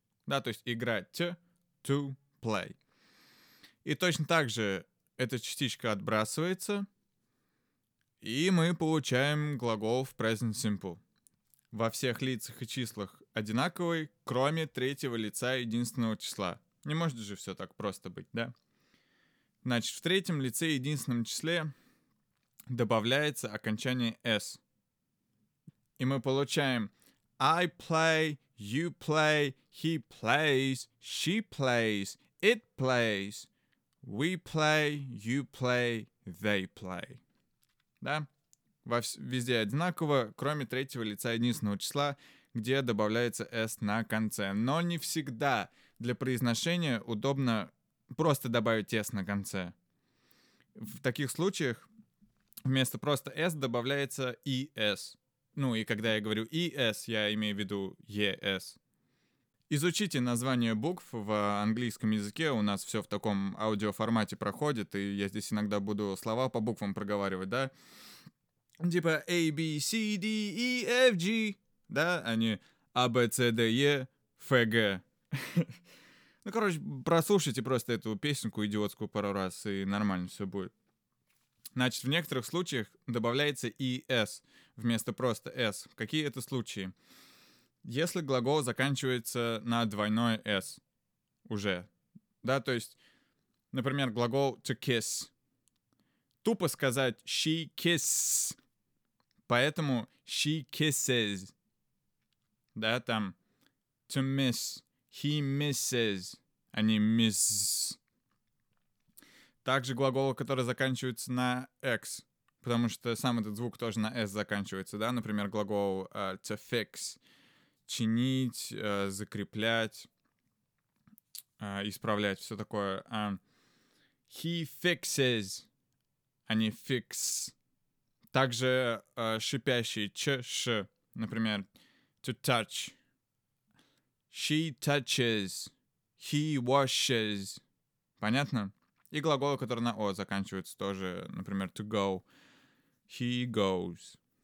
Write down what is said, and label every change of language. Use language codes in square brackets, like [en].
[ru] Да, то есть играть t, [en] to play. [ru] И точно так же эта частичка отбрасывается, и мы получаем глагол в present simple. Во всех лицах и числах одинаковый, кроме третьего лица единственного числа. Не может же все так просто быть, да? Значит, в третьем лице единственном числе добавляется окончание s. И мы получаем [en] I play, you play, he plays, she plays, it plays. We play, you play, they play. [ru] Да? Везде одинаково, кроме третьего лица единственного числа, где добавляется s на конце. Но не всегда для произношения удобно просто добавить s на конце. В таких случаях вместо просто s добавляется es. Ну и когда я говорю es, я имею в виду es. Изучите название букв в английском языке, у нас все в таком аудиоформате проходит, и я здесь иногда буду слова по буквам проговаривать, да? Типа A, B, C, D, E, F, G, да? А не A, B, C, D, E, F, G. Ну, короче, прослушайте просто эту песенку идиотскую пару раз, и нормально все будет. Значит, в некоторых случаях добавляется ES вместо просто S. Какие это случаи? Если глагол заканчивается на двойной S уже, да, то есть, например, глагол [en] to kiss. [ru] Тупо сказать [en] she kisses, [ru] поэтому she kisses, да, там [en] to miss, he misses, [ru] а не miss. Также глагол, который заканчивается на X, потому что сам этот звук тоже на S заканчивается, да, например, глагол [en] to fix. [ru] Чинить, закреплять, исправлять, все такое. [en] He fixes, [ru] а не [en] fix. [ru] Также шипящий, ч-ш, например, [en] to touch. She touches, he washes. [ru] Понятно? И глаголы, которые на о заканчиваются тоже, например, [en] to go. He goes.